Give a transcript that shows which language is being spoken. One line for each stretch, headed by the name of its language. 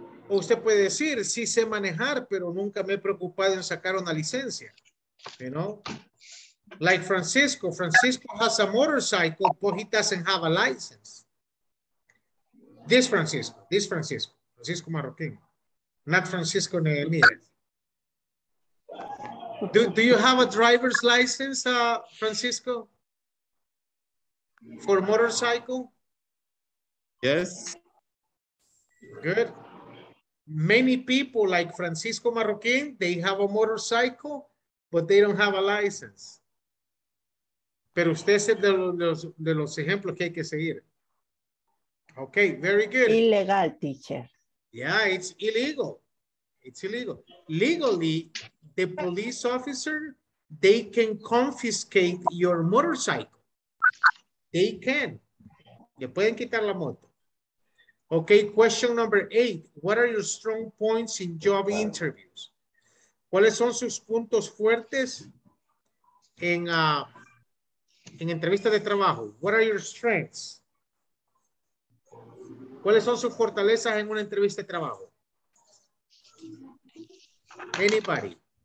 Spanish: O usted puede decir, sí sé manejar, pero nunca me he preocupado en sacar una licencia.
English: You know? Like Francisco. Francisco has a motorcycle, but he doesn't have a license. This Francisco. This Francisco. Francisco Marroquín. Not Francisco Nehemiah. Do you have a driver's license, Francisco? For motorcycle? Yes. Good. Many people like Francisco Marroquín, they have a motorcycle, but they don't have a license.
Spanish: Pero usted es de los ejemplos que hay que seguir.
English: Okay, very good. Illegal, teacher. Yeah, it's illegal. It's illegal. Legally, the police officer, they can confiscate your motorcycle. They can.
Spanish: Le pueden quitar la moto.
English: Okay, question number 8. What are your strong points in job interviews?
Spanish: ¿Cuáles son sus puntos fuertes en entrevistas de trabajo?
English: What are your strengths?
Spanish: ¿Cuáles son sus fortalezas en una entrevista de trabajo?
English: Anybody?